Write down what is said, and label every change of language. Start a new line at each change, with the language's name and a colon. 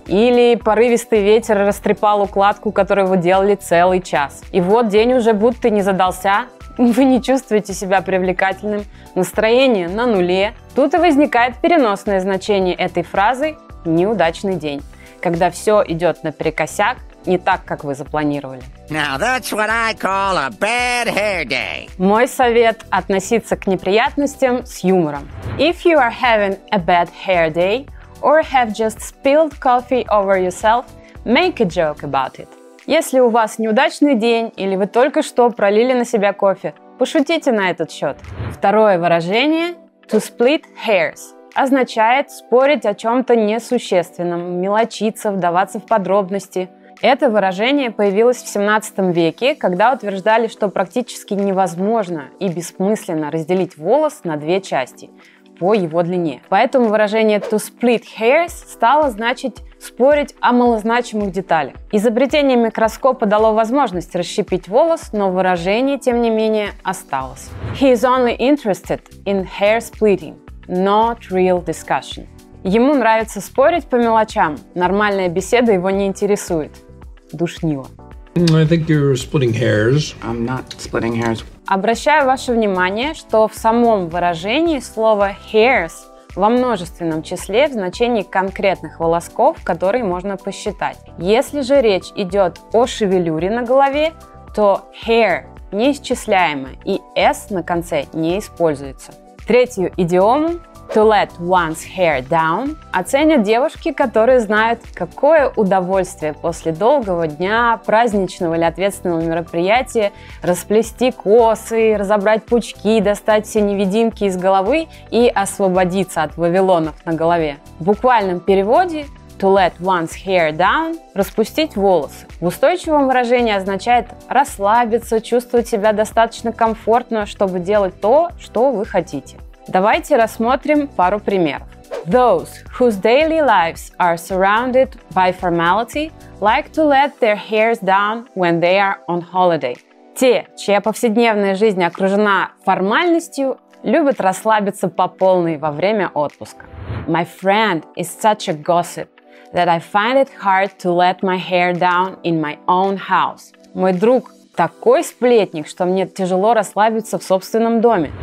Russian: Или порывистый ветер растрепал укладку, которую вы делали целый час. И вот день уже будто не задался, вы не чувствуете себя привлекательным, настроение на нуле. Тут и возникает переносное значение этой фразы «неудачный день», когда все идет наперекосяк, не так, как вы запланировали.
English: Now that's what I call a bad hair day.
Russian: Мой совет – относиться к неприятностям с юмором.
English: If you are having a bad hair day or have just spilled coffee over yourself, make a joke about it.
Russian: Если у вас неудачный день или вы только что пролили на себя кофе, пошутите на этот счет. Второе выражение –
English: to split hairs.
Russian: Означает спорить о чем-то несущественном, мелочиться, вдаваться в подробности. Это выражение появилось в 17 веке, когда утверждали, что практически невозможно и бессмысленно разделить волос на две части по его длине. Поэтому выражение
English: to split hairs
Russian: стало значить спорить о малозначимых деталях. Изобретение микроскопа дало возможность расщепить волос, но выражение, тем не менее, осталось.
English: He is only interested in hair splitting, not real discussion.
Russian: Ему нравится спорить по мелочам. Нормальная беседа его не интересует. Душнило.
English: I think you're splitting hairs. I'm not splitting hairs.
Russian: Обращаю ваше внимание, что в самом выражении слово hairs во множественном числе в значении конкретных волосков, которые можно посчитать. Если же речь идет о шевелюре на голове, то hair неисчисляемо и s на конце не используется. Третью идиому
English: to let one's hair down
Russian: оценят девушки, которые знают, какое удовольствие после долгого дня, праздничного или ответственного мероприятия расплести косы, разобрать пучки, достать все невидимки из головы и освободиться от вавилонов на голове. В буквальном переводе
English: to let one's hair down
Russian: – распустить волосы. В устойчивом выражении означает расслабиться, чувствовать себя достаточно комфортно, чтобы делать то, что вы хотите. Давайте рассмотрим пару примеров.
English: Those whose daily lives are surrounded by formality like to let their hairs down when they are on holiday.
Russian: Те, чья повседневная жизнь окружена формальностью, любят расслабиться по полной во время отпуска.
English: My friend is such a gossip that I find it hard to let my hair down in my own house.
Russian: Мой друг такой сплетник, что мне тяжело расслабиться в собственном доме.